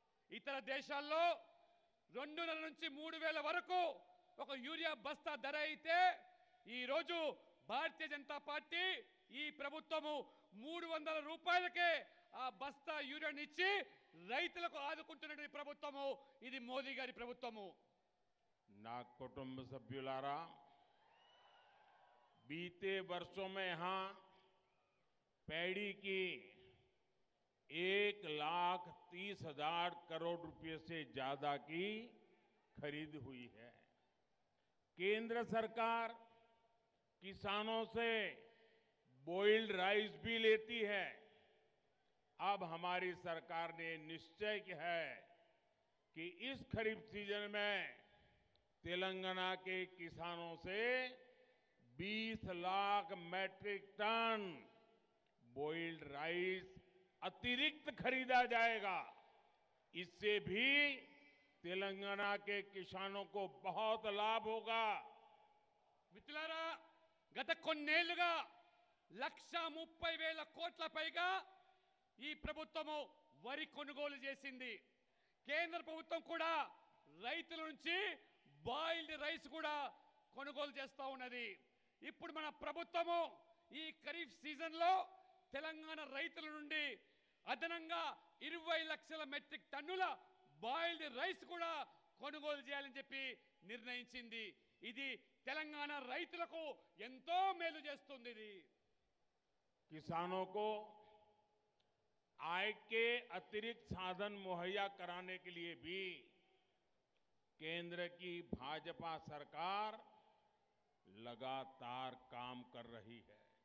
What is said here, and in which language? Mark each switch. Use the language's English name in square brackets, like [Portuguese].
[Telugu] ఇతర దేశాల్లో 2.5 నుంచి 3,000 వరకు ఒక యూరియా బస్తా ధర అయితే, ఈ రోజు భారతీయ జనతా పార్టీ ఈ ప్రభుత్వము 300 రూపాయలకే ఆ బస్తా యూరియాని ఇచ్చి రైతులకు ఆదుకుంటున్నది ఈ ప్రభుత్వము, ఇది మోదీ గారి ప్రభుత్వము। నా కుటుంబ సభ్యులారా, [Hindi] बीते वर्षों में यहां पैड़ी की 1,30,000 करोड़ रुपए से ज्यादा की खरीद हुई है। केंद्र सरकार किसानों से बॉइल्ड राइस भी लेती है। अब हमारी सरकार ने निश्चय किया है कि इस खरीफ सीजन में तेलंगाना के किसानों से 20 lakh matric ton boiled rice अतिरिक्त खरीदा जाएगा। इससे भी तेलंगाना के किसानों को बहुत लाभ होगा। [Telugu] मित्रलारा गत कोन्नेलुगा 130,000 కోట్ల పైగా ఈ ప్రభుత్వము వరి కొనుగోలు చేసింది। కేంద్ర ప్రభుత్వం కూడా రైతుల నుంచి బాయిల్డ్ రైస్ కూడా కొనుగోలు చేస్తా ఉన్నది। ఇప్పుడు మన ప్రభుత్వము ఈ ఖరీఫ్ సీజన్ లో తెలంగాణ రైతుల నుండి అదనంగా 20 లక్షల మెట్రిక్ టన్నుల బాయిల్డ్ రైస్ కూడా కొనుగోలు చేయాలని చెప్పి నిర్ణయించింది। ఇది తెలంగాణ రైతులకు ఎంతో మేలు చేస్తుంది। ఇది [Hindi] किसानों को आय के अतिरिक्त साधन मुहैया कराने के लिए भी केंद्र की भाजपा सरकार लगातार काम कर रही है।